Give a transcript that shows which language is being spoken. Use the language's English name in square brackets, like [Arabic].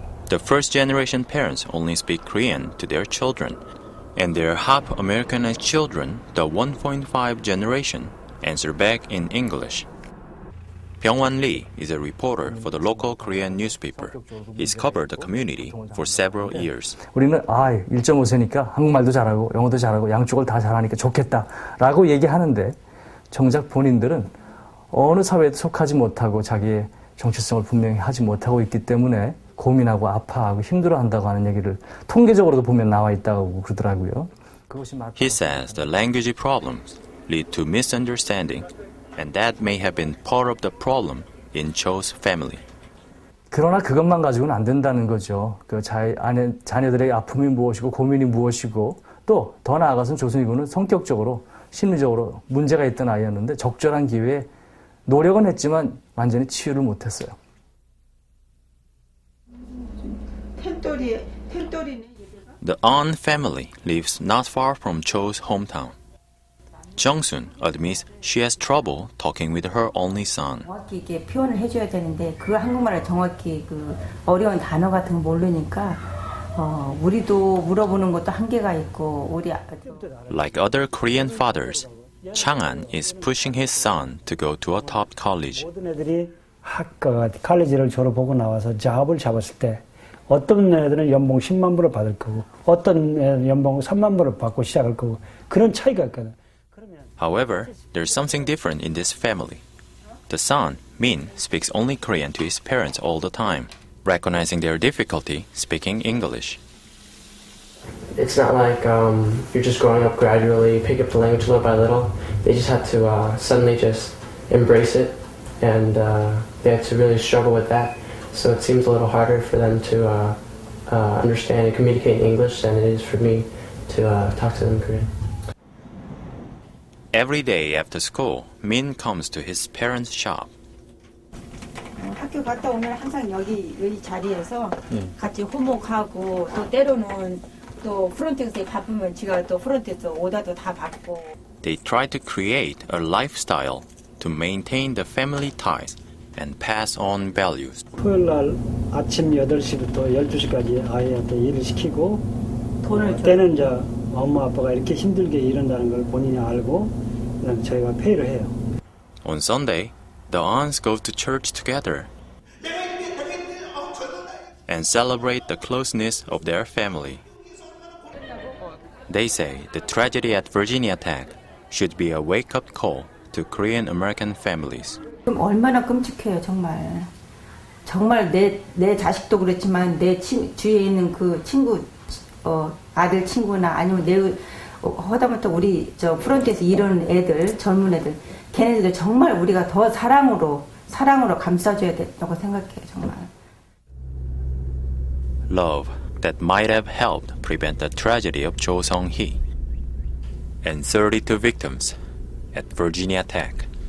[English] The first-generation parents only speak Korean to their children, and their half-Americanized children, the 1.5 generation, answer back in English. Pyeongwan Lee is a reporter for the local Korean newspaper. He's covered the community for several years. [Korean] 우리는 아, 1.5세니까 한국말도 잘하고 영어도 잘하고 양쪽을 다 잘하니까 좋겠다 라고 얘기하는데 정작 본인들은 어느 사회에도 속하지 못하고 자기의 정체성을 분명히 하지 못하고 있기 때문에 고민하고 아파하고 힘들어한다고 하는 얘기를 통계적으로도 보면 나와 있다고 그러더라고요. [English] He says the language problems lead to misunderstanding, and that may have been part of the problem in Cho's family. [Korean] 그러나 그것만 가지고는 안 된다는 거죠. 그 자녀들의 아픔이 무엇이고 고민이 무엇이고 또 더 나아가서는 조승희군은 성격적으로 심리적으로 문제가 있던 아이였는데 적절한 기회에 노력은 했지만 완전히 치유를 못했어요. [English] The An family lives not far from Cho's hometown. Jung-sun admits she has trouble talking with her only son. [Korean] 정확히 이게 표현을 해줘야 되는데 그 한국말을 정확히 그 어려운 단어 같은 거 모르니까 우리도 물어보는 것도 한계가 있고 우리 [English] Like other Korean fathers, Chang-an is pushing his son to go to a top college. [Korean] 모든 애들이 학과 칼리지를 졸업하고 나와서 잡을 잡았을 때 어떤 애들은 연봉 10만 불을 받을 거고 어떤 애들은 연봉 3만 불을 받고 시작할 거고 그런 차이가 있거든. [English] However, there's something different in this family. The son, Min, speaks only Korean to his parents all the time, recognizing their difficulty speaking English. It's not like you're just growing up gradually, pick up the language little by little. They just had to suddenly just embrace it, and they had to really struggle with that. So it seems a little harder for them to understand and communicate in English than it is for me to talk to them in Korean. Every day after school, Min comes to his parents' shop. [Korean] 학교 갔다 오면 항상 여기 이 자리에서 같이 호목하고 또 때로는 또 프론트에서 바쁘면 제가 또 프론트에서 오다도 다 받고. [English] They try to create a lifestyle to maintain the family ties and pass on values. [Korean] 토요일 날 아침 8시부터 12시까지 아이한테 일을 시키고 돈을 때는 이제 엄마 아빠가 이렇게 힘들게 일한다는 걸 본인이 알고 그냥 저희가 페이를 해요. [English] On Sunday, the aunts go to church together and celebrate the closeness of their family. They say the tragedy at Virginia Tech should be a wake-up call to Korean-American families. [Korean] 그럼 얼마나 끔찍해요, 정말. 정말 내 자식도 그렇지만 내 주위에 있는 그 친구 아들 친구나 아니면 내 허다못해 우리 저 프론트에서 이런 애들 젊은 애들 걔네들도 정말 우리가 더 사랑으로 감싸줘야 된다고 생각해 정말. [English] Love that might have helped prevent the tragedy of Cho Sung Hee and 32 victims at Virginia Tech.